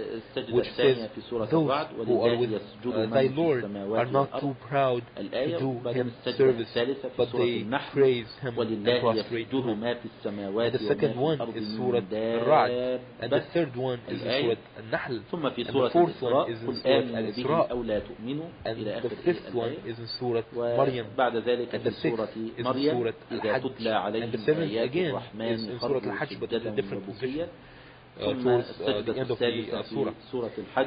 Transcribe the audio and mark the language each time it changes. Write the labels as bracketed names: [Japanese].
[Arabic] السجدة الثانية في سورة الرعد ولله يسجد من في السماوات والأرض الآية، وبعدين السجدة الثالثة في سورة النحل ولله يسجد ما في السماوات والأرض من دابة الآية، ثم في سورة الإسراء قل آمنوا به أو لا تؤمنوا إلى آخر [English] the fifth one is in Surah Maryam. [Arabic] بعد ذلك في سورة مريم إذا تتلى عليهم آيات الرحمن خروا شددا وبكيا، ثم السجدة الثالثة في سورة الحج،